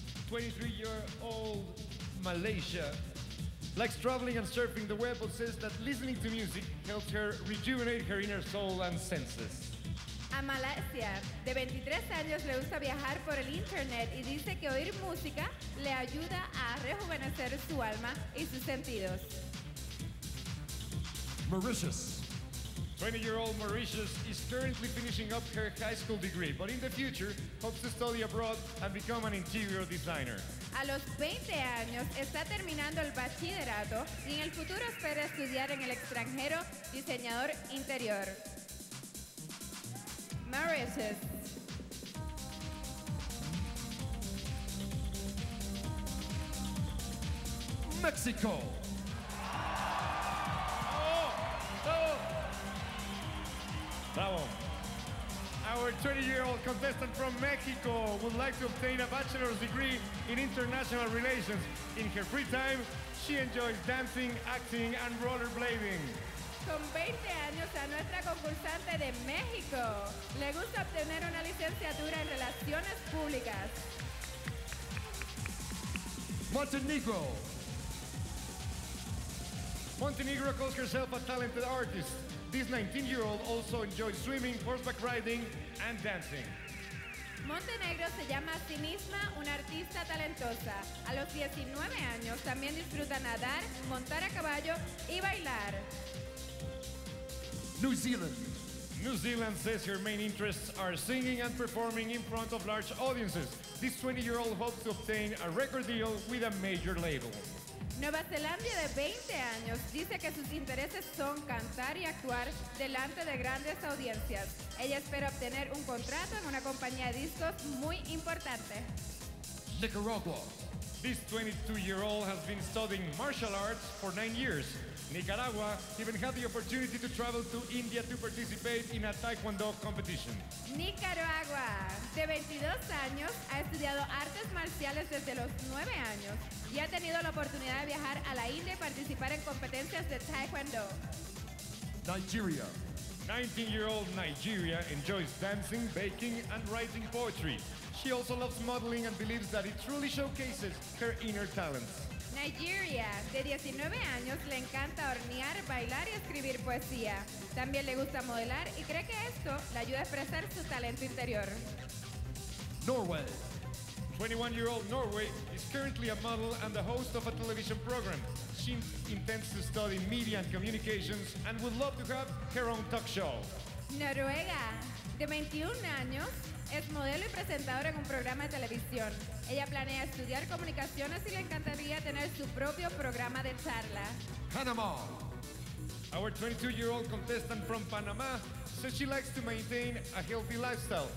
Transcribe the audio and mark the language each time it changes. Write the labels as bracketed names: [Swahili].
[English] 23-year-old Malaysia likes traveling and surfing the web, but says that listening to music helped her rejuvenate her inner soul and senses. [Spanish] A Malaysia, de 23 años, le gusta viajar por el internet y dice que oír música le ayuda a rejuvenecer su alma y sus sentidos. [English] Mauritius. 20-year-old Mauritius is currently finishing up her high school degree, but in the future hopes to study abroad and become an interior designer. [Spanish] A los 20 años está terminando el bachillerato y en el futuro espera estudiar en el extranjero diseñador interior. Mauritius. [English] Mexico. Bravo. Our 20-year-old contestant from Mexico would like to obtain a bachelor's degree in international relations. In her free time, she enjoys dancing, acting, and rollerblading. [Spanish] Con 20 años, a nuestra concursante de México le gusta obtener una licenciatura en relaciones públicas. [English] Montenegro. Montenegro calls herself a talented artist. This 19-year-old also enjoys swimming, horseback riding, and dancing. [Spanish] Montenegro se llama a sí misma una artista talentosa. A los 19 años también disfruta nadar, montar a caballo y bailar. [English] New Zealand. New Zealand says her main interests are singing and performing in front of large audiences. This 20-year-old hopes to obtain a record deal with a major label. [Spanish] Nueva Zelanda, de 20 años, dice que sus intereses son cantar y actuar delante de grandes audiencias. Ella espera obtener un contrato en una compañía de discos muy importante. [English] Nicaragua. This 22-year-old has been studying martial arts for 9 years. Nicaragua even had the opportunity to travel to India to participate in a Taekwondo competition. [Spanish] Nicaragua, de 22 años, ha estudiado artes marciales desde los 9 años y ha tenido la oportunidad de viajar a la India y participar en competencias de Taekwondo. [English] Nigeria. 19-year-old Nigeria enjoys dancing, baking, and writing poetry. She also loves modeling and believes that it truly showcases her inner talents. [Spanish] Nigeria, de 19 años, le encanta hornear, bailar y escribir poesía. También le gusta modelar y cree que esto le ayuda a expresar su talento interior. [English] Norway. 21-year-old Norway is currently a model and the host of a television program. She intends to study media and communications and would love to have her own talk show. [Spanish] Noruega, de 21 años, es modelo y presentadora en un programa de televisión. Ella planea estudiar comunicaciones y le encantaría tener su propio programa de charla. [English] Panama. Our 22-year-old contestant from Panama says she likes to maintain a healthy lifestyle.